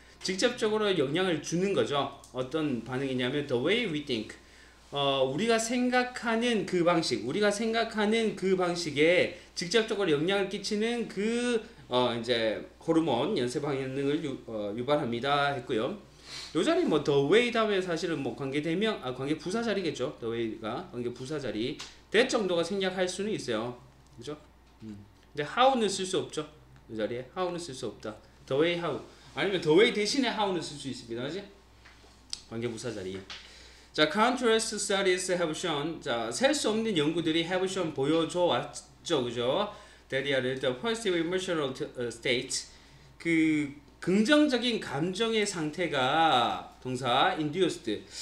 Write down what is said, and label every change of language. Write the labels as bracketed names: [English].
[Korean] 직접적으로 영향을 주는 거죠. 어떤 반응이냐면 [English] the way we think. [Korean] 우리가 생각하는 그 방식, 우리가 생각하는 그 방식에 직접적으로 영향을 끼치는 그 이제 호르몬 연쇄 반응을 유발합니다 했고요. 요 자리 뭐 the way 다음에 사실은 뭐 관계대명 관계 부사 자리겠죠. the way가 관계 부사 자리. that 정도가 생략할 수는 있어요. 그죠? 근데 how는 쓸 수 없죠. 요 자리에 how는 쓸 수 없다. the way how 아니면 the way 대신에 how는 쓸 수 있습니다. 그지? 관계 부사 자리. 자, [English] contrast studies have shown, [Korean] 자, 셀 수 없는 연구들이 [English] have shown [Korean] 보여줘 왔죠, 그죠? [English] that are the positive emotional state. [Korean] 그, 긍정적인 감정의 상태가 동사 induced.